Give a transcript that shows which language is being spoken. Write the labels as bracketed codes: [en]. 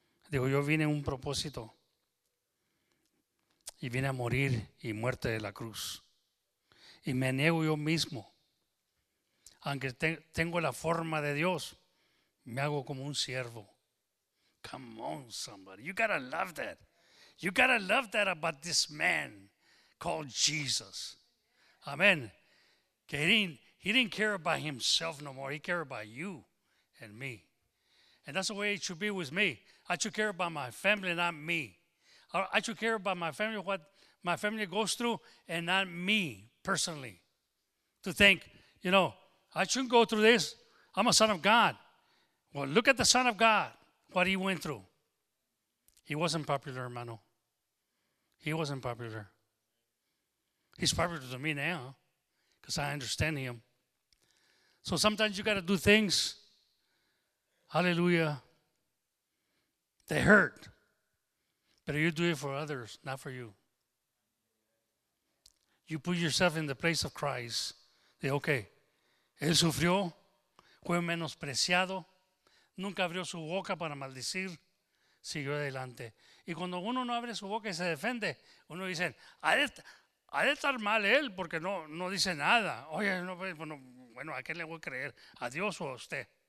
[es] Digo, yo vine en un propósito y vine a morir y muerte de la cruz. Y me niego yo mismo. Aunque tengo la forma de Dios, me hago como un siervo. [en] Come on, somebody. You gotta love that. You gotta love that about this man called Jesus. Amen. He didn't care about himself no more. He cared about you and me. And that's the way it should be with me. I should care about my family, not me. I should care about my family, what my family goes through, and not me personally. To think, you know, I shouldn't go through this. I'm a son of God. Well, look at the Son of God, what he went through. He wasn't popular, [es] hermano. [en] He wasn't popular. He's popular to me now because I understand him. So sometimes you got to do things, hallelujah, they hurt. But you do it for others, not for you. You put yourself in the place of Christ. Say, okay, [es] él sufrió, fue menospreciado, nunca abrió su boca para maldecir, siguió adelante. Y cuando uno no abre su boca y se defiende, uno dice, ha de estar mal él porque no dice nada. Oye, no, bueno, ¿a qué le voy a creer? ¿A Dios o a usted?